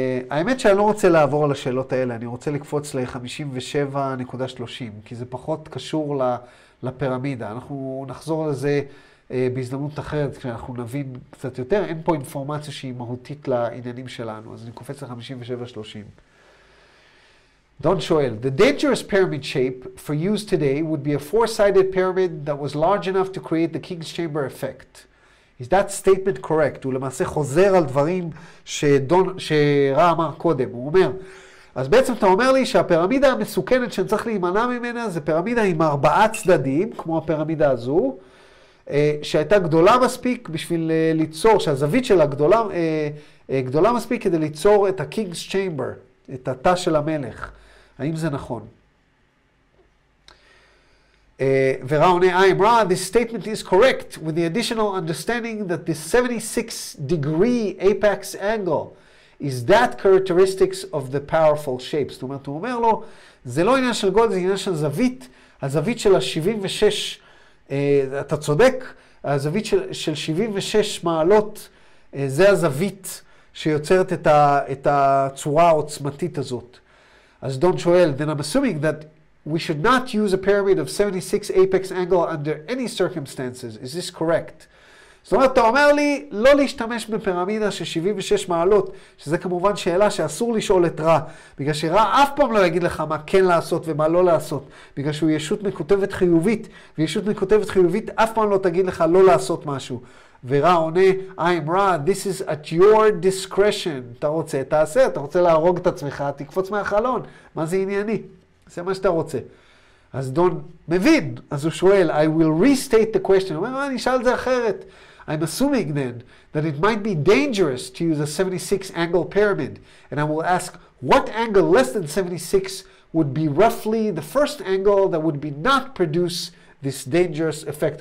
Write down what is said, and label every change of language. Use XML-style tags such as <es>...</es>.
<he>האמת שאני לא רוצה לעבור על השאלות האלה, אני רוצה לקפוץ ל-57.30, כי זה פחות קשור לפירמידה. אנחנו נחזור על זה בהזדמנות אחרת, כשאנחנו נבין קצת יותר. אין פה אינפורמציה שהיא מהותית לעניינים שלנו, אז אני קופץ ל-57.30.</he> <en>Don Shoel, the dangerous pyramid shape for use today would be a four-sided pyramid that was large enough to create the king's chamber effect. Is that statement correct?</en> <he>הוא למעשה חוזר על דברים שרע אמר קודם. הוא אומר, אז בעצם אתה אומר לי שהפירמידה המסוכנת שאני צריך להימנע ממנה זה פירמידה עם ארבעה צדדים, כמו הפירמידה הזו, שהייתה גדולה מספיק בשביל ליצור, שהזווית שלה גדולה מספיק כדי ליצור את ה-king's chamber. את התא של המלך. האם זה נכון? וראוני איים רא,</he> <en>this statement is correct with the additional understanding that the 76 degree apex angle is that characteristics of the powerful shape.</en> <he>זאת אומרת, הוא אומר לו, זה לא עניין של גודל, זה עניין של זווית, הזווית של ה-76, אתה צודק, הזווית של 76 מעלות, זה הזווית שיוצרת את הצורה העוצמתית הזאת. אז דון שואל,</he> <en>then I'm assuming that we should not use a pyramid of 76 apex angle under any circumstances. Is this correct?</en> <he>זאת אומרת, אתה אומר לי לא להשתמש בפירמידה של 76 מעלות, שזה כמובן שאלה שאסור לשאול את רע, בגלל שרע אף פעם לא יגיד לך מה כן לעשות ומה לא לעשות, בגלל שהוא ישות מקוטבת חיובית, וישות מקוטבת חיובית אף פעם לא תגיד לך לא לעשות משהו. ורא עונה,</he> <en>I'm Ra, this is at your discretion.</en> <he>אתה רוצה, תעשה, אתה רוצה להרוג את עצמך, תקפוץ מהחלון. מה זה ענייני? זה מה שאתה רוצה. אז דון מבין, אז הוא שואל,</he> <en>I will restate the question.</en> <he>הוא אומר, אני אשאל זה אחרת.</he> <en>I'm assuming then that it might be dangerous to use a 76 angle pyramid. And I will ask, what angle less than 76 would be roughly the first angle that would be not produce this dangerous effect?</en>